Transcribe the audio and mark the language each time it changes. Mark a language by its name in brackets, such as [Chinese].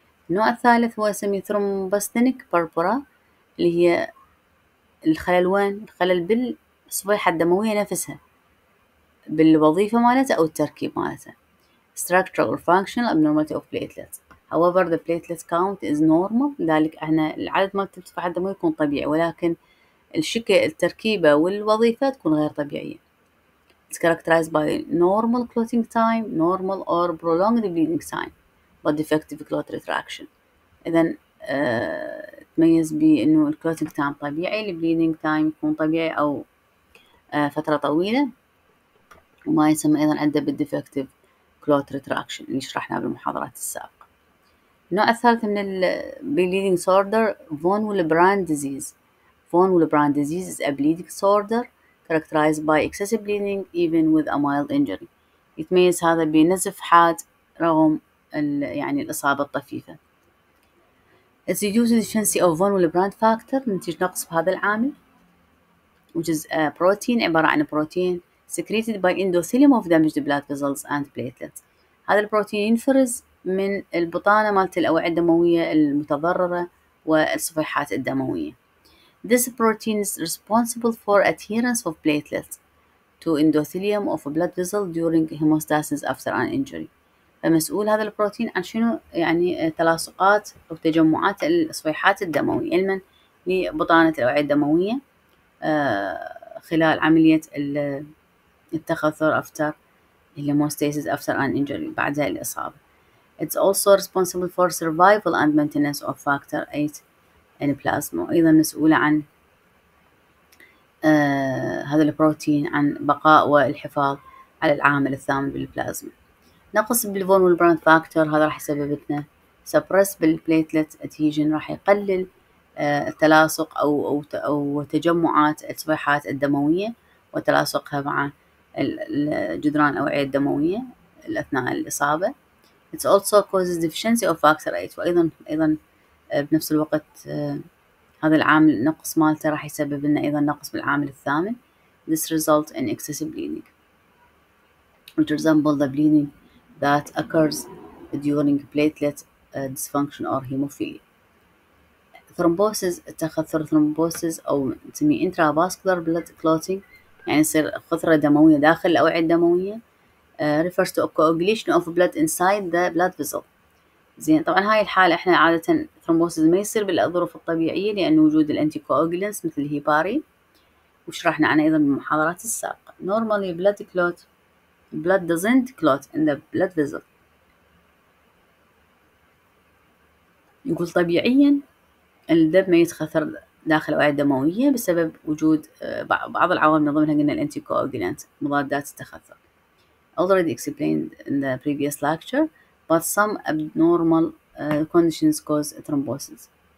[Arabic] النوع الثالث هو يسمى thrombocytopenic purpura اللي هي الخلل، وين الخلل؟ بالصفيحة الدموية نفسها، بالوظيفة مالتها أو التركيب مالتها. [English] structural or functional abnormality of platelets. however the platelet count is normal، [Arabic] لذلك احنا العدد ما تدفع عنده ما يكون طبيعي، ولكن الشكل التركيبة والوظيفة تكون غير طبيعية. [English] It's characterized by normal clotting time, normal or prolonged bleeding time, but defective clot retraction. [Arabic] إذن تميز بأنه clotting time طبيعي، bleeding time يكون طبيعي أو فترة طويلة، وما يسمى أيضا عنده بالdefective clot retraction اللي شرحناه بالمحاضرات السابقة. النوع الثالث من bleeding disorder von Willebrand disease. [English] Von Willebrand disease is a bleeding disorder characterized by excessive bleeding even with a mild injury. [Arabic] يتميز هذا بنزف حاد رغم يعني الإصابة الطفيفة. [English] It's reduced deficiency of von Willebrand factor [Arabic] نتيجة نقص بهذا العامل. [English] Which is a protein [Arabic] عبارة عن [English] protein secreted by endothelium of damaged blood vessels and platelets. [Arabic] هذا البروتين ينفرز من البطانة مالت الأوعية الدموية المتضررة والصفيحات الدموية. [English] This protein is responsible for adherence of platelets to endothelium of a blood vessel during hemostasis after an injury. [Arabic] فمسؤول هذا البروتين عن شنو؟ يعني تلاصقات أو تجمعات الصفيحات الدموية علما لبطانة الأوعية الدموية خلال عملية التخثر [English] after hemostasis after an injury [Arabic] بعد الإصابة. [English] It's also responsible for survival and maintenance of factor 8 and plasma. [Arabic] أيضا مسؤولة عن هذا البروتين عن بقاء والحفاظ على العامل الثامن بالبلازما. نقص بالفون والبراند فاكتور هذا راح يسبب لنا سبرس بالبليتلت أتيجن، راح يقلل التلاصق أو تجمعات الصفيحات الدموية وتلاصقها مع الجدران الأوعية الدموية أثناء الإصابة. [English] It also causes deficiency of factor 8. [Arabic] وأيضا بنفس الوقت هذا العامل نقص مالته راح يسبب لنا أيضا نقص بالعامل الثامن. [English] This result in excessive bleeding which resembles the bleeding that occurs during platelet dysfunction or hemophilia. [Arabic] Thrombosis التخثر thrombosis أو تسمي intravascular blood clotting يعني يصير خثرة دموية داخل الأوعية الدموية. [English] Refers to a coagulation of blood inside the blood vessel. [Arabic] زين طبعا هاي الحالة احنا عادة thrombosis ما يصير بالظروف الطبيعية لأن وجود الانتيكواجلانس مثل الهيباري وشرحنا عنه أيضا بالمحاضرات السابقة. [English] Normally blood clot blood doesn't clot in the blood vessel. [Arabic] يقول طبيعيا الدم ما يتخثر داخل الأوعية الدموية بسبب وجود بعض العوامل ضمنها قلنا الانتيكواجلانس مضادات التخثر. [English] Already explained in the previous lecture, but some abnormal conditions cause thrombosis.